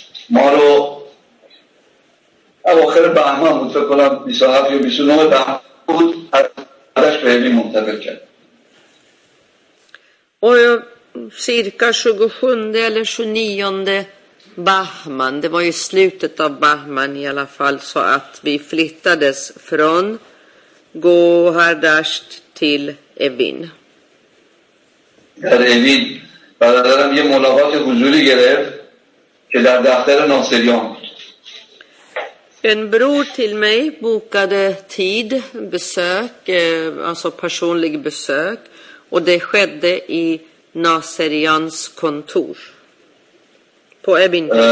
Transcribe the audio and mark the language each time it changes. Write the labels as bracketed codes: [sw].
[fa] Maro اواخر بهمن بود فکر کنم 27 یا 29 بهمن بود ازش به هلی منتقل کرد [sv] و cirka 27 eller 29 Bahman, det var ju slutet av Bahman i alla fall, så att vi flyttades från Gohardasht till Evin. [fa] در Evin برادرم یه ملاقات حضوری گرفت که در دفتر ناصریان. [sv] En bror till mig bokade tid, besök, alltså personlig besök, och det skedde i Naserians kontor på Evin.